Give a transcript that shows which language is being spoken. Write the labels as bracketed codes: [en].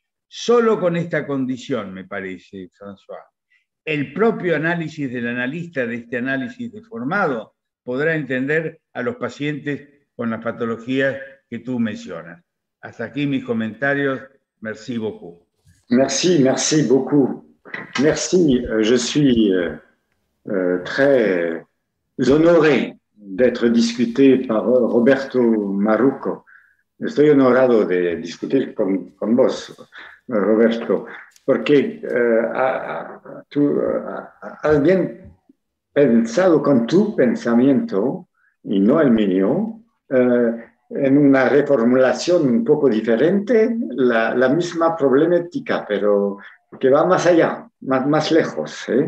[es] Solo con esta condición, me parece, François, el propio análisis del analista de este análisis deformado podrá entender a los pacientes con las patologías que tú mencionas. Hasta aquí mis comentarios. [fr] Merci beaucoup. Merci, merci beaucoup. Merci, je suis très honoré d'être discuté par Roberto Marucco. [es] Estoy honorado de discutir con vos, Roberto, porque tú has bien pensado con tu pensamiento y no el mío, en una reformulación un poco diferente, la misma problemática, pero que va más allá, más lejos.